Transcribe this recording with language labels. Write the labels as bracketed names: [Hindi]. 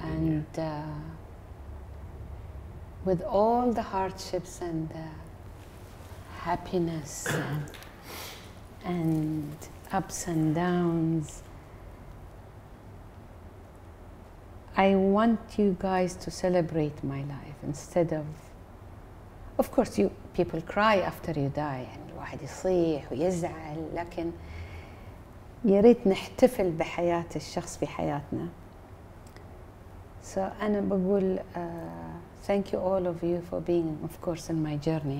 [English] and with all the hardships and the happiness and ups and downs. I want you guys to celebrate my life instead of... Of course, you people cry after you die and [Arabic] الواحد يصيح ويزعل لكن يريد نحتفل بحياة الشخص في حياتنا. [English] So, [Arabic] أنا بقول [English] thank you all of you for being, of course, in my journey.